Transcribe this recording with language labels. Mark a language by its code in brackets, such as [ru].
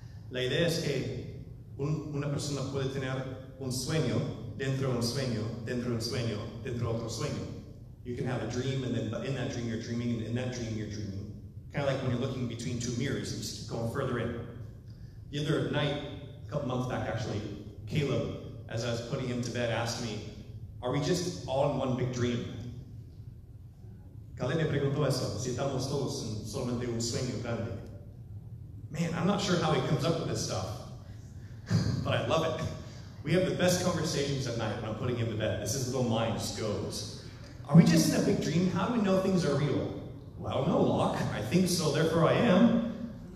[es] La idea es que una persona puede tener un sueño dentro de un sueño, dentro de un sueño, dentro de otro sueño. [en] You can have a dream, and then but in that dream you're dreaming, and in that dream you're dreaming. Kind of like when you're looking between two mirrors, you just keep going further in. The other night, a couple months back actually, Caleb, as I was putting him to bed, asked me, "Are we just all in one big dream?" [es] Caleb me preguntó eso, si estamos todos en solamente un sueño grande. [en] Man, I'm not sure how he comes up with this stuff, but I love it. We have the best conversations at night when I'm putting him to bed. This is little mind just goes. Are we just in a big dream? How do we know things are real? Well, no, Locke, I think so, therefore I am.